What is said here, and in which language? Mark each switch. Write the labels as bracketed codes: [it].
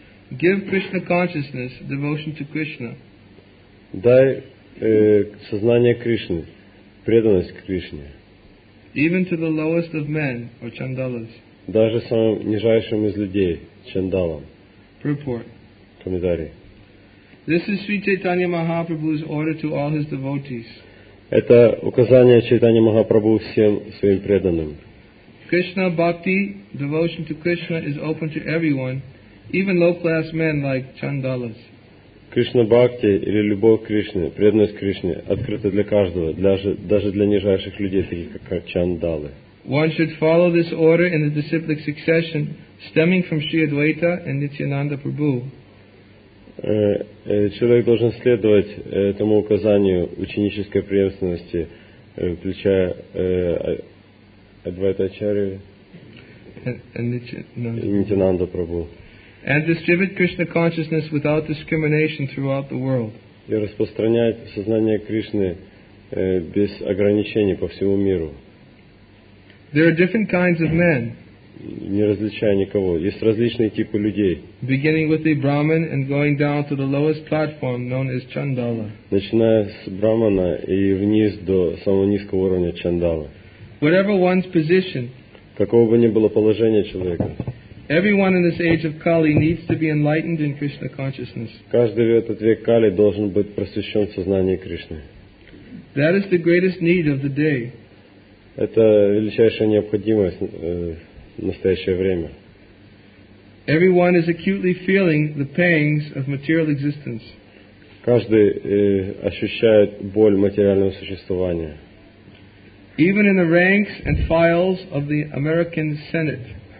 [en] Give Krishna consciousness, devotion to Krishna. [ru] Дай сознание Кришны, преданность Кришне. [en] Even to the lowest of men, or Chandalas. [ru] Даже самым нижайшим из людей, Чандалам. [en] Purport. [ru] Комментарий. [en] This is Sri Chaitanya Mahaprabhu's order to all his devotees. [ru] Это указание Чайтанья Махапрабху всем своим преданным. [en] Krishna bhakti, devotion to Krishna, is open to everyone, even low-class men like Chandalas. [ru] Krishna bhakti или любовь к Кришне, преданность Кришне, открыта для каждого, даже для нижайших людей, таких как Чандалы. [en] One should follow this order in the disciplic succession, stemming from Sri Advaita and Nityananda Prabhu. [ru] Человек должен следовать этому указанию ученической преемственности, включая Адвайта Ачарью и Нитинанда Прабху. [en] And distribute Krishna consciousness without discrimination throughout the world. [ru] И распространять сознание Кришны без ограничений по всему миру. [en] There are different kinds of men. [ru] Не различая никого. Есть различные типы людей. [en] Beginning with the Brahman and going down to the lowest platform known as Chandala. [ru] Начиная с Брахмана и вниз до самого низкого уровня Чандала. [en] Whatever one's position. [ru] Какого бы ни было положение человека. [en] Everyone in this age of Kali needs to be enlightened in Krishna consciousness. [ru] Каждый в этот век Кали должен быть просвещен в сознании Кришны. [en] That is the greatest need of the day. [ru] Это величайшая необходимость. В настоящее время. [en] Everyone is acutely feeling the pangs of material existence. [ru] Каждый ощущает боль материального существования. [en] Even in the ranks and files of the American Senate.